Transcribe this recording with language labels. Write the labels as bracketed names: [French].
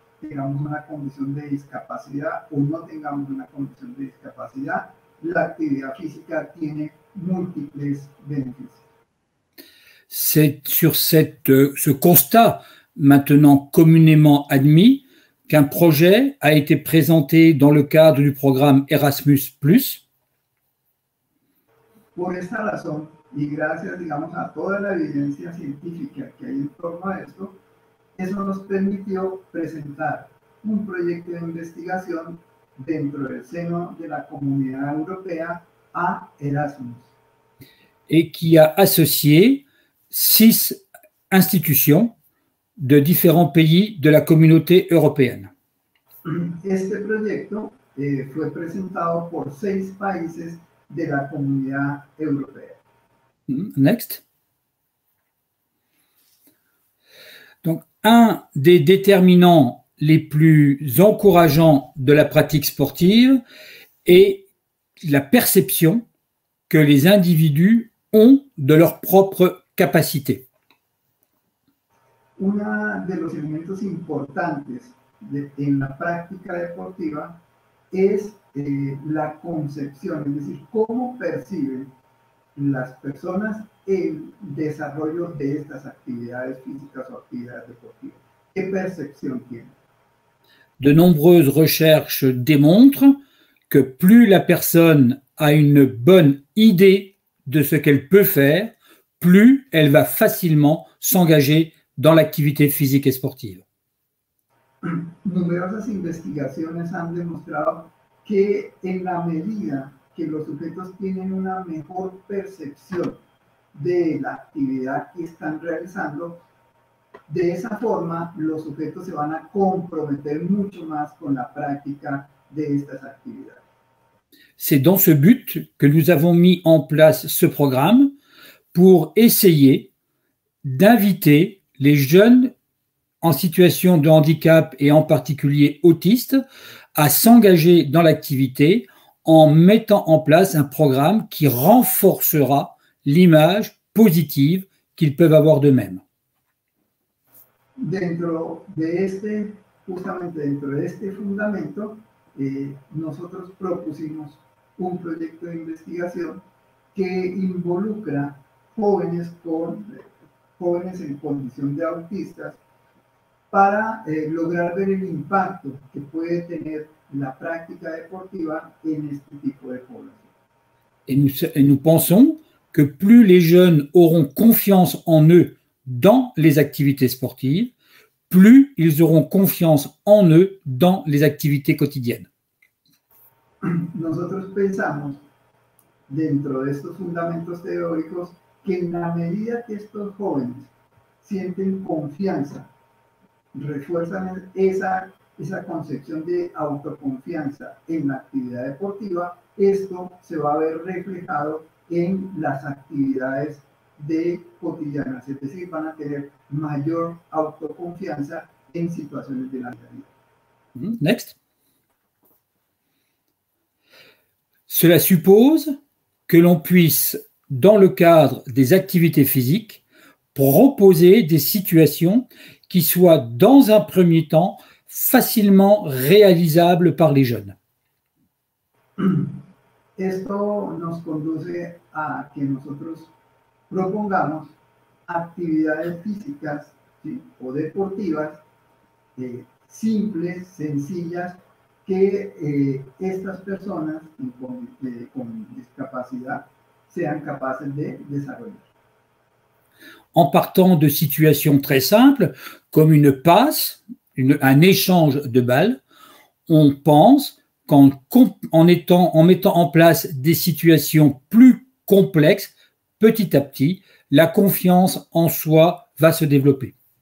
[Spanish] Tengamos una condición de discapacidad o no tengamos una condición de discapacidad, la actividad física tiene múltiples beneficios. [French] C'est sur ce constat maintenant communément admis qu'un projet a été présenté dans le cadre du programme Erasmus+. [Spanish] Por esta razón, y gracias, digamos, a toda la evidencia científica que hay en torno a esto, eso nos permitió presentar un proyecto de investigación dentro del seno de la comunidad europea a Erasmus. [French] Et qui a associé 6 institutions de différents pays de la communauté européenne. [Spanish] Este proyecto fue presentado por 6 países de la comunidad europea. [English] Next. [French] Donc, un des déterminants les plus encourageants de la pratique sportive est la perception que les individus ont de leurs propres capacités. Un des éléments importants en la pratique sportive est la conception, c'est-à-dire comment perçoivent [Spanish] las personas en desarrollo de estas actividades físicas o actividades deportivas. ¿Qué percepción tiene? [French] De nombreuses recherches démontrent que plus la personne a une bonne idée de ce qu'elle peut faire, plus elle va facilement s'engager dans l'activité physique et sportive. [Spanish] Numerosas investigaciones han demostrado que en la medida que los sujetos tienen una mejor percepción de la actividad que están realizando, de esa forma los sujetos se van a comprometer mucho más con la práctica de estas actividades. [French] C'est dans ce but que nous avons mis en place ce programme pour essayer d'inviter les jeunes en situation de handicap et en particulier autistes à s'engager dans l'activité en mettant en place un programme qui renforcera l'image positive qu'ils peuvent avoir d'eux-mêmes. [Spanish] Dentro de este, justamente dentro de este fundamento, nosotros propusimos un proyecto de investigación que involucra jóvenes con jóvenes en condición de autistas para lograr ver el impacto que puede tener la práctica deportiva en este tipo de población. Y nos pensamos que [French] plus les jeunes auront confiance en eux dans les activités sportives, plus ils auront confiance en eux dans les activités quotidiennes. [Spanish] Nosotros pensamos, dentro de estos fundamentos teóricos, que en la medida que estos jóvenes sienten confianza, refuerzan esa concepción de autoconfianza en la actividad deportiva, esto se va a ver reflejado en las actividades de cotidianas, es decir, van a tener mayor autoconfianza en situaciones de la vida. [English] Next. [French] Cela suppose que l'on puisse, dans le cadre des activités physiques, proposer des situations qui soient dans un premier temps facilement réalisable par les jeunes. [Spanish] Esto nos conduce a que nosotros propongamos actividades físicas, ¿sí?, o deportivas simples, sencillas, que estas personas con discapacidad sean capaces de desarrollar. [French] En partant de situations très simples, comme une passe, un échange de balles, on pense qu'en mettant en place des situations plus complexes, petit à petit, la confiance en soi va se développer.